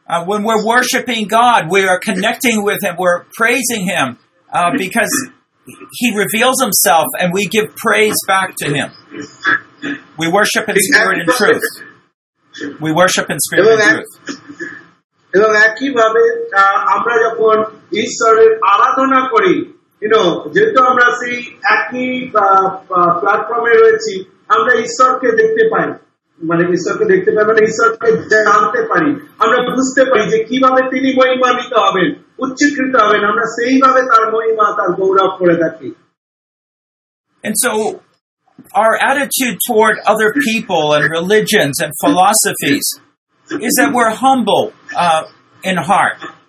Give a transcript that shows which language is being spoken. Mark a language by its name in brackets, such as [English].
[English] When we're worshiping God, we are connecting with Him, we're praising Him, because He reveals Himself and we give praise back to Him. We worship in spirit and truth. We worship in spirit and truth. [Bangla] এবং একইভাবে আমরা যখন ঈশ্বরের আরাধনা করি, যেহেতু আমরা সেই একই প্ল্যাটফর্মে রয়েছি, আমরা ঈশ্বরকে দেখতে পাই, মানে ঈশ্বরকে দেখতে পাই মানে ঈশ্বরকে জানতে পারি, আমরা বুঝতে পারি যে কিভাবে তিনি মহিমান্বিত হবেন, উচ্চীকৃত হবেন, আমরা সেইভাবে তার মহিমা তার গৌরব করে থাকি। [English] And so our attitude toward other people and religions and philosophies is that we're humble in heart.